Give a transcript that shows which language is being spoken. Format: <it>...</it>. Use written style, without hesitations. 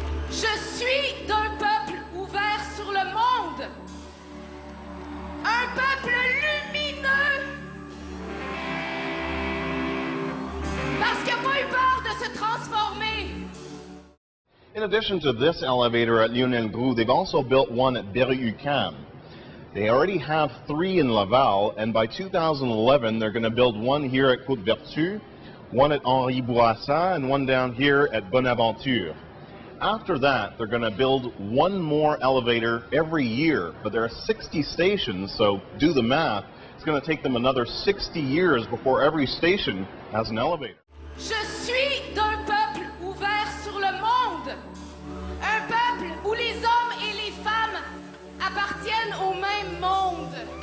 <fr>Je suis d'un peuple ouvert sur le monde. Un peuple lumineux. Parce qu'il n'a pas eu peur de se transformer.</fr> <en>In addition to this elevator at Lionel-Grou, they've also built one at Berry-UQAM. They already have three in Laval, and by 2011, they're going to build one here at Côte-Vertu, one at Henri-Bourassa, and one down here at Bonaventure. After that, they're going to build one more elevator every year, but there are 60 stations, so do the math. It's going to take them another 60 years before every station has an elevator.</en> <fr>Je suis d'un peuple ouvert sur le monde. Un peuple où les hommes et les femmes appartiennent au même monde.</fr>